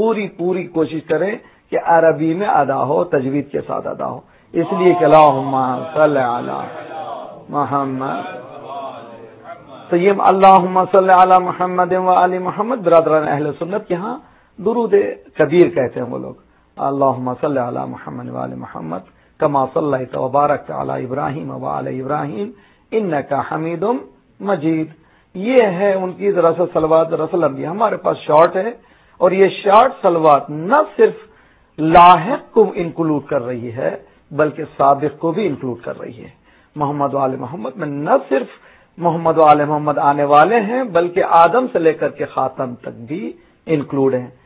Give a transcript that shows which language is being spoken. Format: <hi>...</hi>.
<ur>پوری پوری کوشش کریں کہ عربی میں ادا ہو, تجوید کے ساتھ ادا ہو. اس لیے کہ</ur> <ar>اللہم صلی علی محمد,</ar> <ur>تو یہ</ur> <ar>اللہم صلی علی محمد و آل محمد</ar> <ur>برادران اہل سنت کے ہاں درود کبیر کہتے ہیں وہ لوگ.</ur> <ar>اللہم صلی علی محمد و آل محمد کما صلیت و بارکت علی ابراہیم و آل ابراہیم انک حمید مجید.</ar> <ur>یہ ہے ان کی دراصل صلوات دراصل انبیاء. ہمارے پاس شارٹ ہے اور یہ شارٹ صلوات نہ صرف لاحق کو انکلوڈ کر رہی ہے بلکہ سابق کو بھی انکلوڈ کر رہی ہے. محمد و آل محمد میں نہ صرف محمد و آل محمد آنے والے ہیں بلکہ آدم سے لے کر کے خاتم تک بھی انکلوڈ ہیں.</ur>